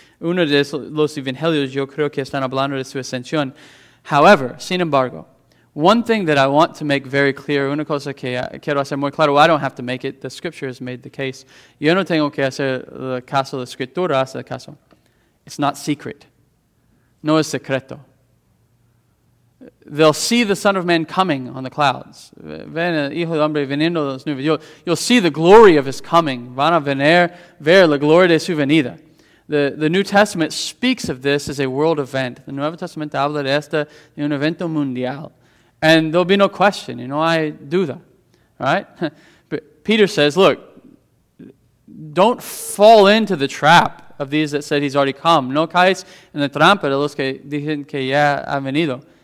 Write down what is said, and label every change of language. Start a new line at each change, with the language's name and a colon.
Spanish: Uno de los Evangelios, yo creo que están hablando de su ascensión.
English: However,
Spanish: sin embargo,
English: one thing that I want to make very clear,
Spanish: una cosa que quiero hacer muy claro,
English: I don't have to make it, the Scripture has made the case.
Spanish: Yo no tengo que hacer el caso, la Escritura hace el caso.
English: It's not secret.
Spanish: No es secreto.
English: They'll see the Son of Man coming on the clouds.
Spanish: Ven el Hijo del Hombre veniendo de los nubes.
English: You'll see the glory of his coming.
Spanish: Van a venir, ver la gloria de su venida.
English: The New Testament speaks of this as a world event.
Spanish: The Nuevo Testamento habla de esta de un evento mundial.
English: And there'll be no question. You know, I do that. Right? But Peter says, look, don't fall into the trap of these that said he's already come.
Spanish: No caes en la trampa de los que dicen que ya ha venido.